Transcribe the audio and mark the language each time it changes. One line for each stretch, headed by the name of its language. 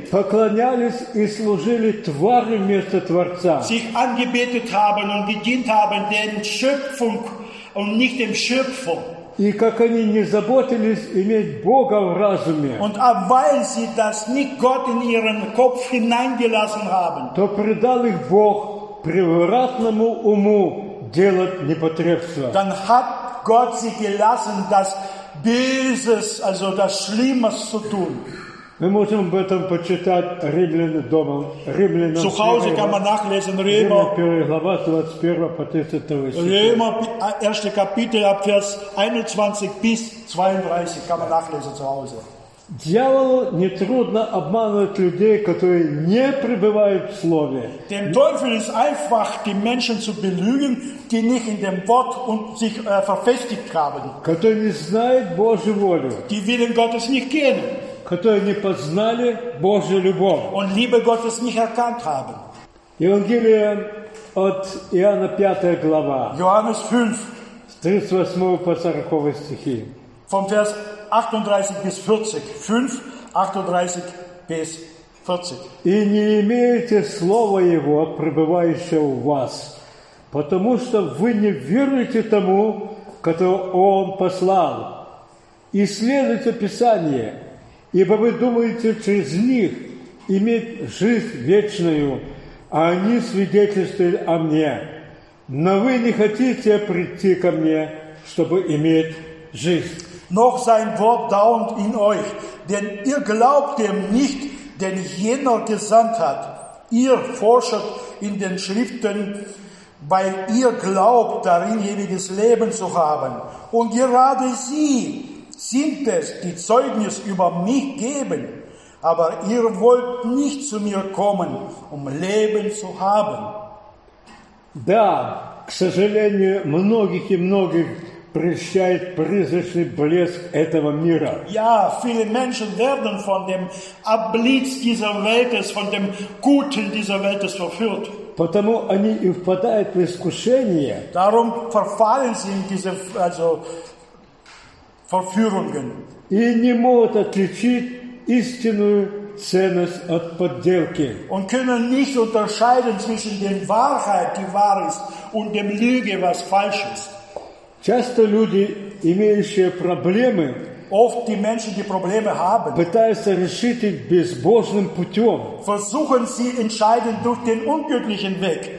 Russian: Поклонялись и служили твари вместо Творца.
German: Sich angebetet haben und gedient haben den Schöpfung und nicht dem Schöpfer.
Russian: И как они не заботились иметь Бога в разуме,
German: und weil sie das nicht Gott in ihren Kopf hineingelassen haben,
Russian: то предал их Бог превратному уму делать непотребство.
German: Dann hat Gott sie gelassen, das Böses, also das Schlimme zu tun.
Russian: Мы можем об этом почитать Римлянам дома. Римлянам
German: zu Hause kann man nachlesen, Рима,
Russian: 1, глава 21 по 33. Рима, 1.
German: Kapitel, ab Vers 21 bis 32, kann man nachlesen zu Hause.
Russian: Дьяволу нетрудно обманывать людей, которые не пребывают в Слове.
German: Dem Teufel ist einfach, die Menschen zu belügen, die nicht in dem Wort und sich verfestigt haben.
Russian: Которые не знают Божью волю.
German: Die Willen Gottes nicht kennen.
Russian: Которые не познали Божью любовь.
German: Und Liebe Gottes nicht erkannt haben.
Russian: Евангелие от Иоанна 5 глава.
German: Johannes 5.
Russian: С 38 по 40 стихи.
German: Vom Vers 38 bis 40. 5, 38 bis 40.
Russian: И не имеете слова Его, пребывающего в вас, потому что вы не веруете тому, которого Он послал. Исследуйте Писание, ибо вы думаете через них иметь жизнь вечную, а они свидетельствуют о мне. Но вы не хотите прийти ко мне, чтобы иметь жизнь.
German: Noch sein Wort dauert in euch, denn ihr glaubt dem nicht, den jener gesandt hat. Ihr forscht in den Schriften, weil ihr glaubt, darin ewiges Leben zu haben. Und gerade sie sind es, die Zeugnis über mich geben. Aber ihr wollt nicht zu mir kommen, um Leben zu haben.
Russian: Да, к сожалению, многих и многих прельщает призрачный блеск этого мира.
German: Ja, viele Menschen werden von dem Abblitz dieser Welt, von dem Guten dieser Welt verführt.
Russian: Потому они и впадают в искушение.
German: Darum verfallen sie in diese, also, Verführungen.
Russian: И не могут отличить истинную ценность от подделки.
German: Und können nicht unterscheiden zwischen der Wahrheit, die wahr ist, und dem Lüge, was falsch ist.
Russian: Часто люди, имеющие проблемы,
German: oft die Menschen, die Probleme haben,
Russian: пытаются решить их безбожным путем,
German: versuchen sie entscheiden durch den ungöttlichen Weg,